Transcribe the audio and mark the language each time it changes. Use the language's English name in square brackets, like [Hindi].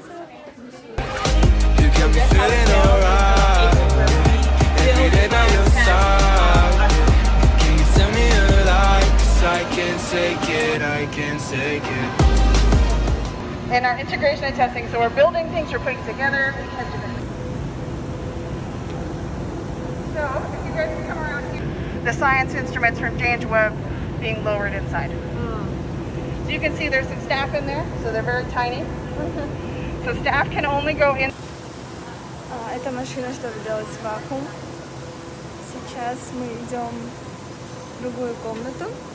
[Russian] Мы получили такие разные штучки. Теперь мы идем на третью станцию. Там тоже что-то будет интересное. [English] The science instruments from James Webb being lowered inside. Mm. So you can see there's some staff in there, so they're very tiny. So staff can only go in. [Russian] Это машина, чтобы делать вакуум. Сейчас мы идем в другую комнату.